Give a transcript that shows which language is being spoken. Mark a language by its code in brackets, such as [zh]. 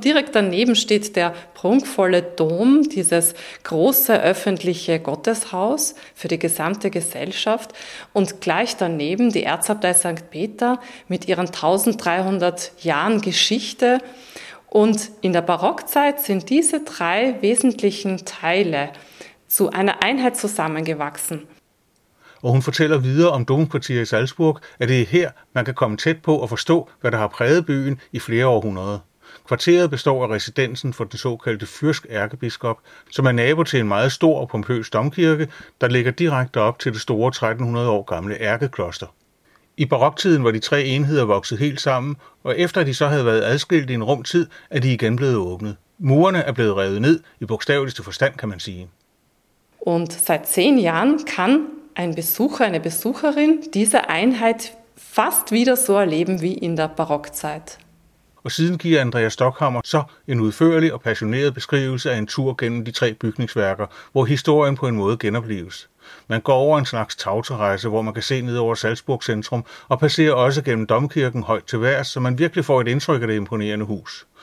[de] Und direkt daneben steht der prunkvolle Dom, dieses große öffentliche Gotteshaus für die gesamte Gesellschaft und gleich daneben die Erzabtei St. Peter mit ihren 1300 Jahren Geschichte. Und in der Barockzeit sind diese 3 wesentlichen Teile zu einer Einheit zusammengewachsen. [da] Og hun fortæller videre om Domkvarteret i Salzburg, at det er her, man kan komme tæt på og forstå, hvad der har præget byen i flere århundreder. Kvarteret består af residensen for den såkaldte fyrsk ærkebiskop, som er nabo til en meget stor og pompøs domkirke, der ligger direkte op til det store 1300 år gamle ærkekloster. I baroktiden var de 3 enheder vokset helt sammen, og efter de så havde været adskilt i en rum tid, er de igen blevet åbnet. Murene er blevet revet ned, i bogstaveligste forstand kan man sige. [de] Und seit 10 Jahren kann ein Besucher, eine Besucherin diese Einheit fast wieder so erleben wie in der Barockzeit. [da] Og siden giver Andrea Stockhammer så en udførlig og passioneret beskrivelse af en tur gennem de 3 bygningsværker, hvor historien på en måde genopleves. Man går over en slags tavserejse, hvor man kan se ned over Salzburg centrum og passerer også gennem domkirken højt til værs, så man virkelig får et indtryk af det imponerende hus.